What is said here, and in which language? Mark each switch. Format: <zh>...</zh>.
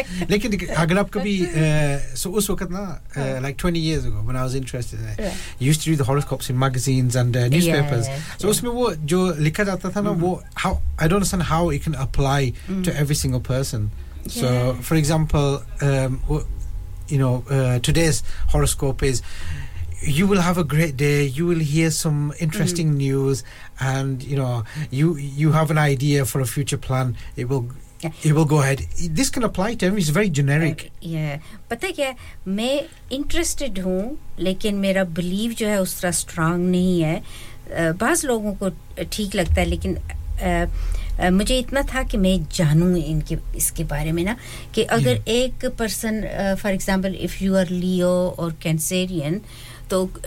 <hi>लेकिन अगर आप कभी सो उस वक्त ना</hi> <en>like 20 years ago when I was interested in it used to the horoscopes in magazines and newspapers</en> <hi>सो उसमें वो जो लिखा जाता था ना वो</hi> <en>How I don't understand how it can apply to every single person so for example you know today's horoscope is you will have a great day you will hear some interesting news and you know you have an idea for a future plan it will Yeah. It will go ahead. This can apply to him. He's very generic.</en> <hi>पता क्या मैं interested हूँ लेकिन मेरा belief जो है उस तरह strong नहीं है बास लोगों को ठीक लगता है लेकिन मुझे इतना था कि मैं जानूँ इनके इसके बारे में ना कि अगर एक person</hi> <en>for example if you are Leo or Cancerian</en> <hi>तो</hi>